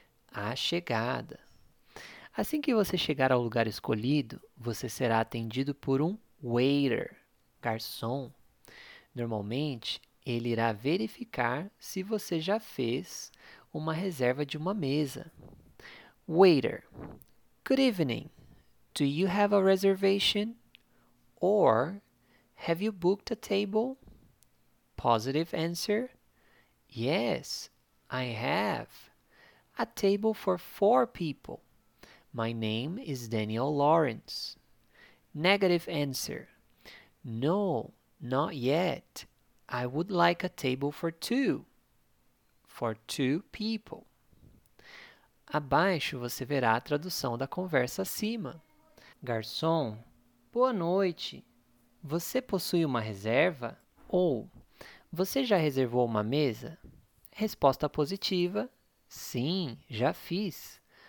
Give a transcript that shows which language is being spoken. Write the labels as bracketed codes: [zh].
[pt] A chegada. Assim que você chegar ao lugar escolhido, você será atendido por um waiter, garçom. Normalmente, ele irá verificar se você já fez uma reserva de uma mesa. [en] Waiter, good evening. Do you have a reservation? Or have you booked a table? Positive answer: Yes, I have. A table for four people. My name is Daniel Lawrence. Negative answer. No, not yet. I would like a table for two. For two people. [pt] Abaixo você verá a tradução da conversa acima. Garçom, boa noite. Você possui uma reserva? Ou, você já reservou uma mesa? Resposta positiva: Sim, já fiz.